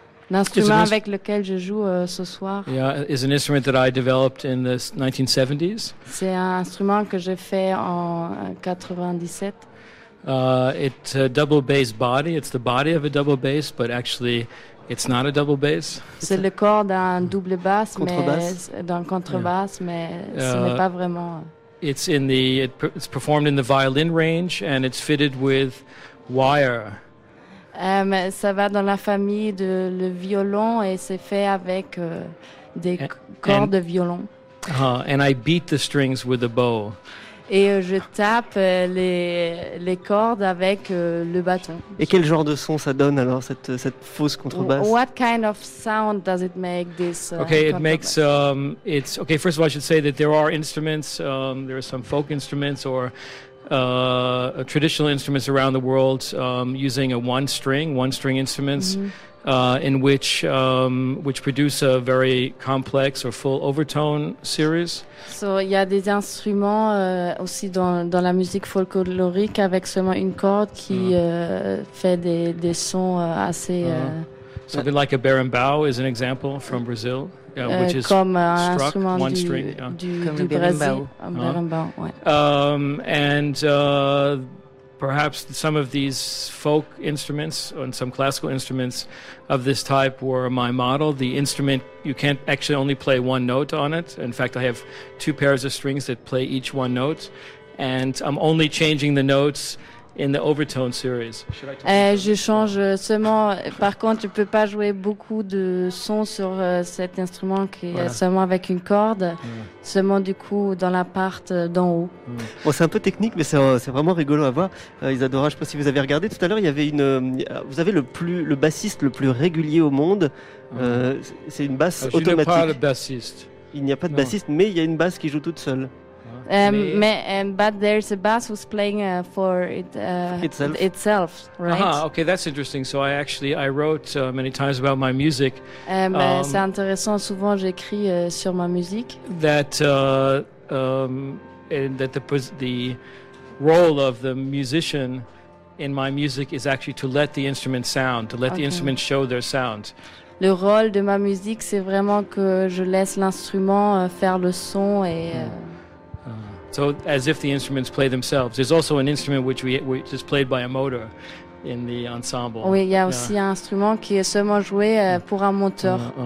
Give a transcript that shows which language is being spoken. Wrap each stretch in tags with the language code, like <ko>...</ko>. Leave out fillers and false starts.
<fr>L'instrument avec lequel je joue ce soir.</fr> <en>Yeah, is an instrument that I developed in the 1970s.</en> <fr>C'est un instrument que j'ai fait en 97.</fr> <en>It's a double bass body. It's the body of a double bass, but actually, it's not a double bass.</en> <fr>C'est le corps d'un double basse, contrebasse, mais ce n'est pas vraiment.</fr> <en>It's performed in the violin range and it's fitted with wire.</en> <fr>Ça va dans la famille de le violon et c'est fait avec cordes de violon.</fr> <en>And I beat the strings with a bow.</en> <fr>Et je tape les cordes avec le bâton. Et quel genre de son ça donne alors cette fausse contrebasse?</fr> <en>What kind of sound does it make this? Okay, it makes it's okay. First of all, I should say that there are instruments. There are some folk instruments or traditional instruments around the world using a one string instruments, mm-hmm. in which produce a very complex or full overtone series.</en> <fr>So, il y a des instruments aussi dans la musique folklorique avec seulement une corde qui fait des sons assez.</fr> <en>Something like a berimbau is an example from Brazil. Perhaps some of these folk instruments and some classical instruments of this type were my model. The instrument, you can't actually only play one note on it. In fact, I have two pairs of strings that play each one note, and I'm only changing the notes in the overtone series.</en> <fr>Je change seulement. Par contre, tu peux pas jouer beaucoup de sons sur cet instrument qui est seulement avec une corde. Yeah. Seulement du coup dans la part d'en haut. Mm. Bon, c'est un peu technique, mais c'est vraiment rigolo à voir. Isadora, je sais pas si vous avez regardé tout à l'heure. Il y avait une. Vous avez le bassiste le plus régulier au monde. C'est une basse automatique. Pas de bassiste. Il n'y a pas de bassiste, mais il y a une basse qui joue toute seule.</fr> <en>But there's a bass who's playing for it itself, right? Ah, okay, that's interesting. So I wrote many times about my music.</en> <fr>C'est intéressant. Souvent, j'écris sur ma musique.</fr> <en>That the role of the musician in my music is actually to let the instrument sound, to let the instrument show their sound.</en> <fr>Le rôle de ma musique, c'est vraiment que je laisse l'instrument faire le son et.</fr> <en>So as if the instruments play themselves. There's also an instrument which is played by a motor in the ensemble.</en> <fr>Oui, il y a aussi un instrument qui est seulement joué pour un moteur.</fr>